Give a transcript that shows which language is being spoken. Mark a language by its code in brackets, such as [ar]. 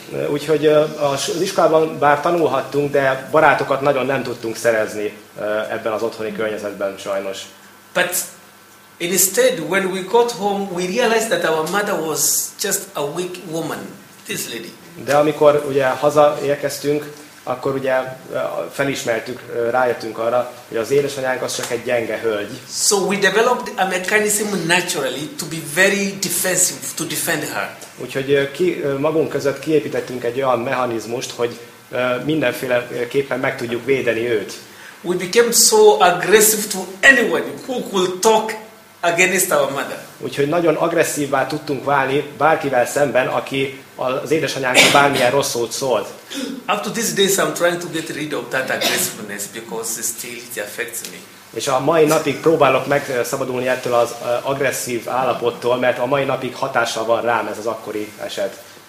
[hu] Úgyhogy az iskolában bár tanulhattunk, de barátokat nagyon nem tudtunk szerezni ebben az otthoni környezetben, sajnos. [en] But instead, when we got home, we realized that our mother was just a weak woman, this lady. [hu] De amikor ugye hazaérkeztünk, akkor ugye felismertük, rájöttünk arra, hogy az édesanyánk az csak egy gyenge hölgy. [en] So we developed a mechanism naturally to be very defensive, to defend her. [hu] Úgyhogy magunk között kiépítettünk egy olyan mechanizmust, hogy mindenféleképpen meg tudjuk védeni őt. [en] We became so aggressive to anyone who could talk against our mother. [hu] Úgyhogy nagyon agresszívvá tudtunk válni bárkivel szemben, aki az édesanyánkkal bármilyen rossz szót szólt. [en] Up to this day I'm trying to get rid of that aggressiveness because still it affects me. [hu] És a mai napig próbálok megszabadulni ettől az agresszív állapottól, mert a mai napig hatással van rám ez az akkori eset.